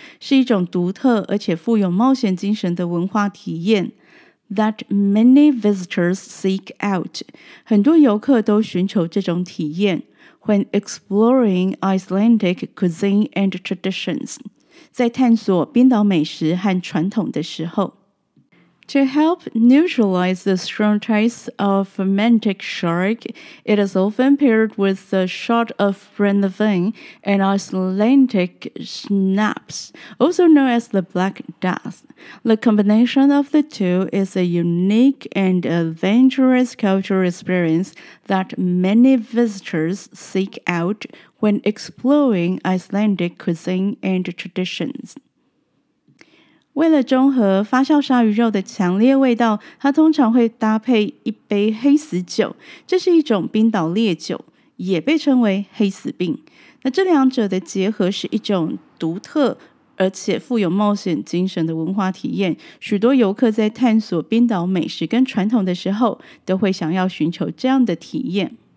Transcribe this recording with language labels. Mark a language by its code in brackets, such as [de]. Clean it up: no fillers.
[zh] 是一种独特而且富有冒险精神的文化体验。 [en] That many visitors seek out. [zh] 很多游客都寻求这种体验。 [en] When exploring Icelandic cuisine and traditions. [zh] 在探索冰岛美食和传统的时候。 [en] To help neutralize the strong taste of fermented shark, it is often paired with a shot of brennevin and Icelandic schnapps, also known as the Black Death. The combination of the two is a unique and adventurous cultural experience that many visitors seek out when exploring Icelandic cuisine and traditions. [zh] 为了中和发酵鲨鱼肉的强烈味道，它通常会搭配一杯黑死酒，这是一种冰岛烈酒，也被称为黑死病。那这两者的结合是一种独特而且富有冒险精神的文化体验，许多游客在探索冰岛美食跟传统的时候都会想要寻求这样的体验。